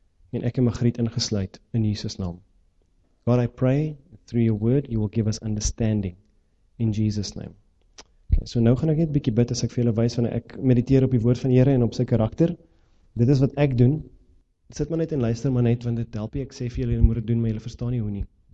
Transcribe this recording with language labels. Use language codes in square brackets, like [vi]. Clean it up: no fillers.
[af] En ek en Magriet ingesluit in Jesus naam. [en] God, I pray through your word you will give us understanding in Jesus name. [af] Okay, so nou gaan ek net 'n bietjie bid as ek vir julle wys wanneer ek mediteer op die woord van die Here en op sy karakter. Dit is wat ek doen. Sit maar net en luister maar net want dit help jy ek sê vir julle julle moet dit doen maar julle verstaan nie hoe nie.